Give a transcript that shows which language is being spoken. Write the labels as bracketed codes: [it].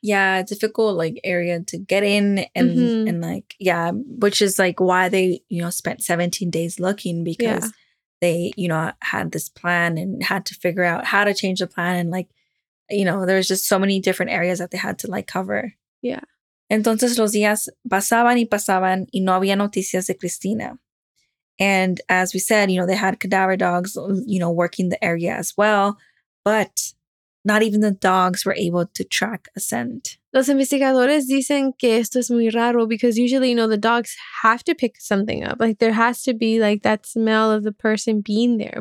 [en] Yeah, difficult like area to get in and mm-hmm. and like, yeah, which is like why they, you know, spent 17 days looking, because yeah. they, you know, had this plan and had to figure out how to change the plan. And like, you know, there's just so many different areas that they had to like cover. Yeah. [es] Entonces los días pasaban y pasaban y no había noticias de Cristina. [en] And as we said, you know, they had cadaver dogs, you know, working the area as well. But not even the dogs were able to track a scent. [es] Los investigadores dicen que esto es muy raro [en] because usually, you know, the dogs have to pick something up. Like there has to be like that smell of the person being there.